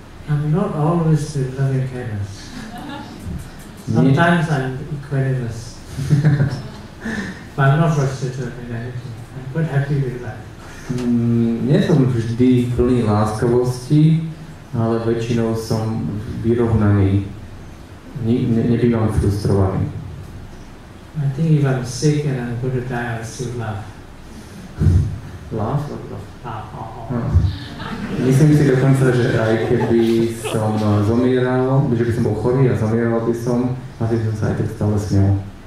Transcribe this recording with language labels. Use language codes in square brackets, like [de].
[en] I'm not always with loving kindness. Sometimes I'm equanimous. But I'm not frustrated with anything. I'm quite happy with that. [sk] Nie som vždy plný láskavosti, ale väčšinou som vyrovnaný, nebývam frustrovaný. [en] I think if I'm sick and I'm going to die, I'll still laugh. Laugh? Laugh. Laugh. [sk] Myslím si dokonca, že aj keby som zomieral, že by som bol chorý a zomieral by som, asi by som sa aj tak stále smiel.